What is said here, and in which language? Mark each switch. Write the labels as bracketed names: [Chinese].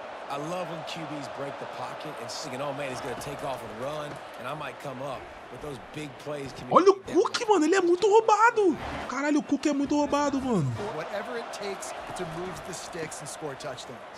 [English] I love when QBs break the pocket and singing, oh man, he's gonna take off and run, and I might come up, but those big plays can be... [Portuguese] Olha o Cook, mano, ele é muito roubado. Caralho, o Cook é muito roubado, mano. [English] Whatever it takes to move the sticks and score touchdowns.